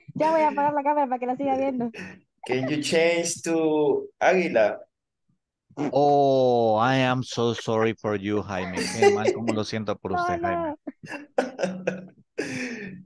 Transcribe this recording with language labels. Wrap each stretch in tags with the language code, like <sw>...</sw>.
<es>Ya voy a apagar la cámara para que la siga viendo.</es> <en>Can you change to águila? Oh, I am so sorry for you, Jaime.</en> <es>Qué mal, cómo lo siento por usted, Jaime.</es>